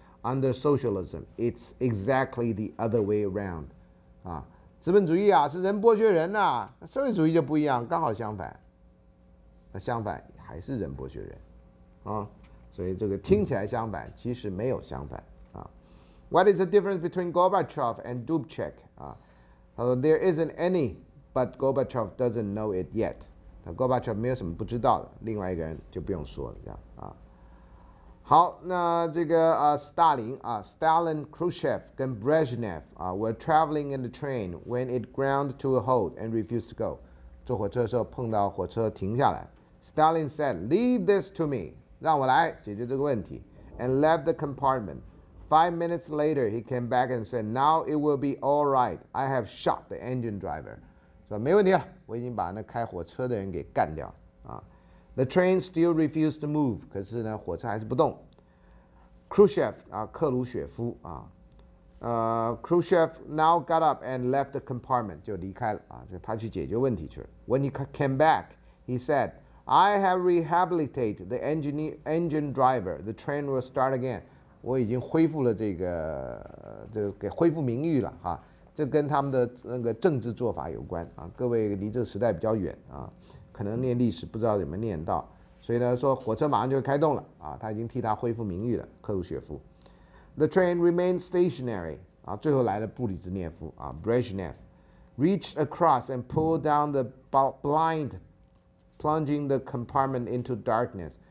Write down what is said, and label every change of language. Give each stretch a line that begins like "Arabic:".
English: Under socialism, it's exactly the other way around.
Chinese: 啊，资本主义啊，是人剥削人呐，啊，社会主义就不一样，刚好相反。那相反还是人剥削人，啊，所以这个听起来相反，其实没有相反啊。
English: What is the difference between Gorbachev and Dubček?
Chinese: 啊，他说
English: There isn't any, but Gorbachev doesn't know it yet.
Chinese: 那 Gorbachev 没有什么不知道的，另外一个人就不用说了，这样啊。好，那这个
English: Stalin Khrushchev 跟 Brezhnev 啊 ，were traveling in the train when it ground to a halt and refused to go。
Chinese: 坐火车的时候碰到火车停下来 ，
English: Stalin said, "Leave this to me,"
Chinese: 让我来解决这个问题 ，
English: and left the compartment. 5 minutes later, he came back and said, "Now it will be all right. I have shot the engine driver."
Chinese: 说没问题了，我已经把那开火车的人给干掉了啊。
English: The train still refused to move,
Chinese: 可是呢，火车还是不动。
English: Khrushchev 啊，克鲁雪夫啊，Khrushchev now got up and left the compartment,
Chinese: 就离开了啊，就他去解决问题去了。
English: When he came back, he said, "I have rehabilitated the engine driver. The train will start again."
Chinese: 我已经恢复了这个给恢复名誉了哈，啊，这跟他们的那个政治做法有关啊。各位离这个时代比较远啊。可能念历史不知道怎么念到，所以呢说火车马上就会开动了啊，他已经替他恢复名誉了，克鲁雪夫。
English: The train remained stationary
Chinese: 啊，最后来了布里兹涅夫啊
English: ，Brezhnev reached across and pulled down the blind, plunging the compartment into darkness。